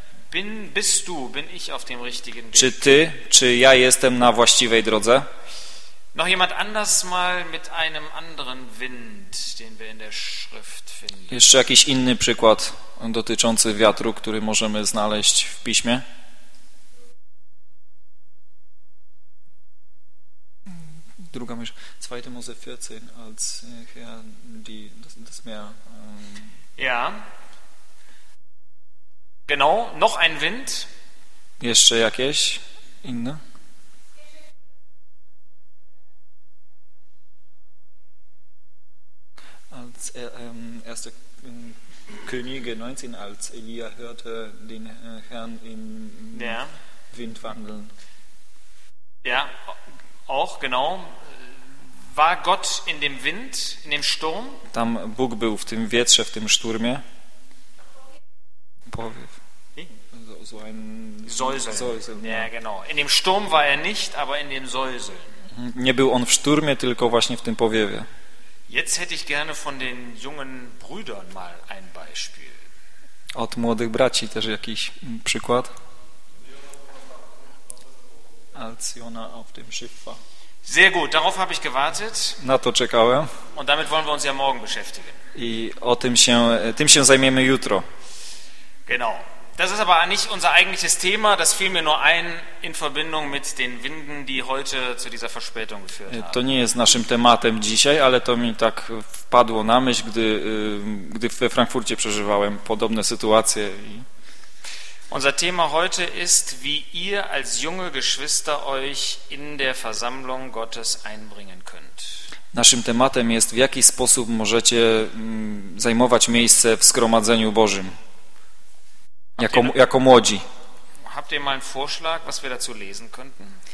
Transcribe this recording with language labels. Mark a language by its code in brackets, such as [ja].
[de] Bin ich auf dem richtigen Weg? [pl] Czy ty, czy ja jestem na właściwej drodze? [de] Noch jemand anders mal mit einem anderen Wind, den wir in der Schrift finden. [pl] Jeszcze jakiś inny przykład dotyczący wiatru, który możemy znaleźć w piśmie? Druga myśl. [de] 2. Mose 14, als Herr das Meer. Ja. Genau, noch ein Wind. [pl] Jeszcze jakieś inne? [de] Als 1. Könige 19, als Elia hörte den Herrn im Wind wandeln. Ja, auch, genau. War Gott in dem Wind, in dem Sturm? [pl] Tam Bóg był w tym wietrze, w tym szturmie. Powiew. [de] So ein Säuseln. Ja, genau. In dem Sturm war nicht, aber in dem Säuseln. [pl] Nie był on w szturmie, tylko właśnie w tym powiewie. [de] Jetzt hätte ich gerne von den jungen Brüdern mal ein Beispiel. [pl] Od młodych braci też jakiś przykład. [de] Als Jona auf dem Schiff war. Sehr gut, darauf habe ich gewartet. [pl] Na to czekałem. [de] Und damit wollen wir uns ja morgen beschäftigen. [pl] I o tym się zajmiemy jutro. [de] Genau. Das ist aber nicht unser eigentliches Thema, das fiel mir nur ein in Verbindung mit den Winden, die heute zu dieser Verspätung geführt haben. [pl] To nie jest naszym tematem dzisiaj, ale to mi tak wpadło na myśl, gdy we Frankfurcie przeżywałem podobne sytuacje. [de] Unser Thema heute ist, wie ihr als junge Geschwister euch in der Versammlung Gottes einbringen könnt. [pl] Naszym tematem jest, w jaki sposób możecie zajmować miejsce w zgromadzeniu Bożym. Jako młodzi. [de] Habt ihr mal einen Vorschlag, was wir dazu lesen könnten?